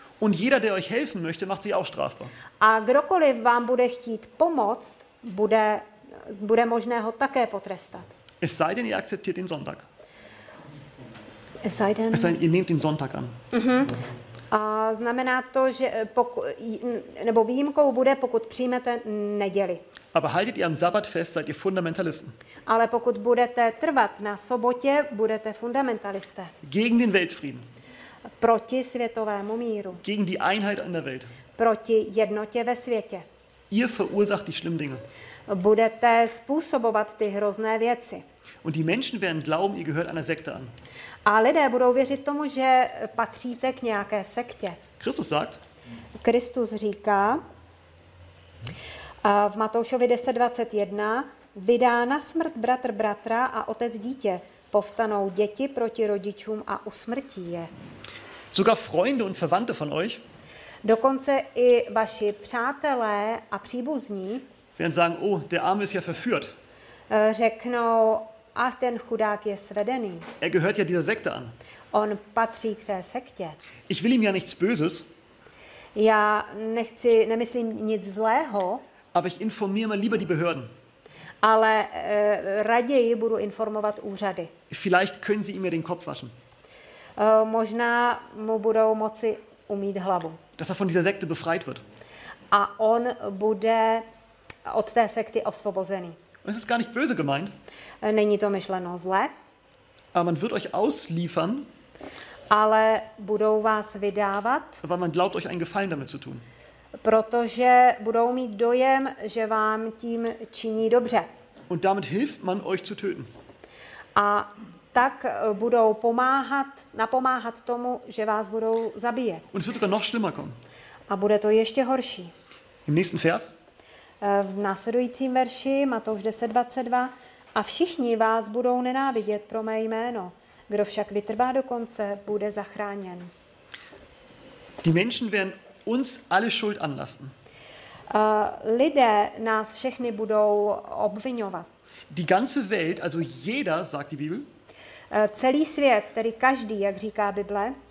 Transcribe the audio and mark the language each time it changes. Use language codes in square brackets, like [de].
[de] Und jeder, der euch helfen möchte, macht sich auch strafbar. [cs] A kdokoliv vám bude chtít pomoct, bude možné ho také potrestat. [de] Es sei denn, ihr akzeptiert den Sonntag. Es sei denn, ihr nehmt den Sonntag an. [cs] A znamená to, že nebo výjimkou bude, pokud přijmete neděli. [de] Aber haltet ihr am Sabbat fest, seid ihr Fundamentalisten. [cs] Ale pokud budete trvat na sobotě, budete fundamentalisté. [de] Gegen den Weltfrieden. [cs] Proti světovému míru. [de] Gegen die Einheit in der Welt. [cs] Proti jednotě ve světě. [de] Ihr verursacht die schlimmen Dinge. [cs] Budete způsobovat ty hrozné věci. [de] Und die Menschen werden glauben, ihr gehört einer Sekte an. [cs] A lidé budou věřit tomu, že patříte k nějaké sektě. [de] Christus sagt. [cs] Kristus říká v Matoušovi 10:21, vydá na smrt bratr bratra a otec dítě. Povstanou děti proti rodičům a usmrtí je. [de] Sogar Freunde und Verwandte von euch. [cs] Dokonce i vaši přátelé a příbuzní. [de] Werden sagen, oh, der Arme ist ja verführt. [cs] Řeknou, ach, ten chudák je svedený. [de] Er gehört ja dieser Sekte an. [cs] On patří k té sektě. [de] Ich will ihm ja nichts Böses. [cs] Já nemyslím nic zlého. [de] Aber ich informiere mal lieber die Behörden. [cs] Ale raději budu informovat úřady. [de] Vielleicht können sie ihm ja den Kopf waschen. [cs] Možná mu budou moci umýt hlavu. [de] Dass er von dieser Sekte befreit wird. [cs] A on bude od té sekty osvobozený. [de] Es ist gar nicht böse gemeint. [cs] Není to myšleno zle. [de] Aber man wird euch ausliefern. [cs] Ale budou vás vydávat. [de] Weil man glaubt, euch einen Gefallen damit zu tun. [cs] Protože budou mít dojem, že vám tím činí dobře. [de] Und damit hilft man euch zu töten. [cs] A tak budou napomáhat tomu, že vás budou zabíjet. [de] Und es wird sogar noch schlimmer kommen. [cs] A bude to ještě horší. [de] Im nächsten Vers. [cs] V následujícím verši, Matouš 10:22, a všichni vás budou nenávidět pro mé jméno. Kdo však vytrvá do konce, bude zachráněn. [de] Die Menschen werden uns alle Schuld anlasten. [cs] Lidé nás všechny budou obviňovat. [de] Die ganze Welt, also jeder, sagt die Bibel, [cs] celý svět, tedy každý, jak říká Bible,